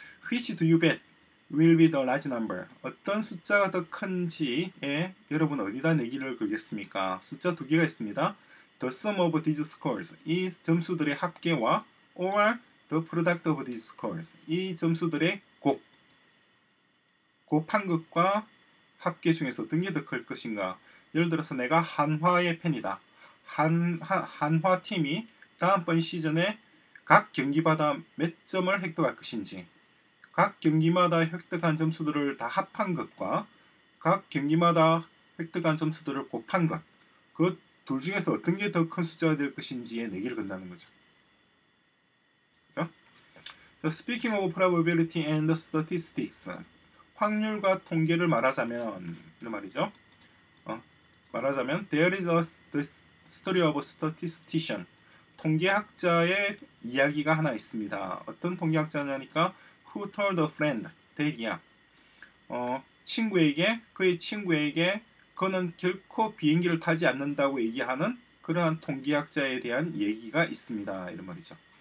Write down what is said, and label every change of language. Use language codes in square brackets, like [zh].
[en] Which do you bet will be the large number? [ko] 어떤 숫자가 더 큰지에 여러분 어디다 내기를 걸겠습니까? 숫자 두 개가 있습니다. [en] The sum of these scores, [ko] 이 점수들의 합계와 [en] or the product of these scores, [ko] 이 점수들의 곱, 곱한 것과 합계 중에서 어떤 게 더 클 것인가? 예를 들어서 내가 한화의 팬이다. 한화 팀이 다음번 시즌에 각 경기마다 몇 점을 획득할 것인지, 각 경기마다 획득한 점수들을 다 합한 것과 각 경기마다 획득한 점수들을 곱한 것, 그 둘 중에서 어떤 게 더 큰 숫자가 될 것인지에 내기를 건다는 거죠. 자, 그렇죠? [en] Speaking of probability and statistics, [ko] 확률과 통계를 말하자면, 이런 말이죠. 말하자면, [en] there is a story of a statistician. [ko] 통계학자의 이야기가 하나 있습니다. 어떤 통계학자냐니까 [en] who told a friend that이야. [ko] 친구에게 그의 친구에게 그는 결코 비행기를 타지 않는다고 얘기하는 그러한 통계학자에 대한 얘기가 있습니다. 이런 말이죠.